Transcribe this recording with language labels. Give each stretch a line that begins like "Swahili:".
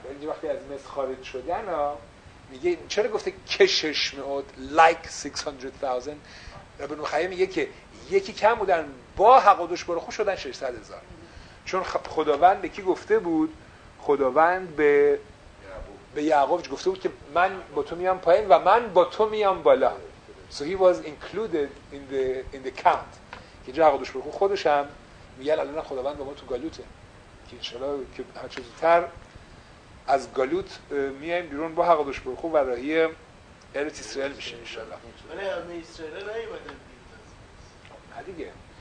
Persian: ولی وقتی از مصر خارج شدن میگه چرا گفته کشش میاد like 600,000. رب نوخیه میگه که یکی کم بودن با حق و دشبار خوش شدن 600,000، چون خداوند به کی گفته بود؟ خداوند به یعقوب گفته بود که من با تو میام پایین و من با تو میام بالا.
English: So he was included in the count.
Persian: که اینجا عقدش برخون خودش هم میگه الان خداوند با ما تو گالوته، که انشالله که هر چیزی تر از گالوت میایم بیرون با عقدش برخون و راهی ارت اسرائیل میشه انشالله. ولی ارت اسرائیل نهی بودن بیرون نه دیگه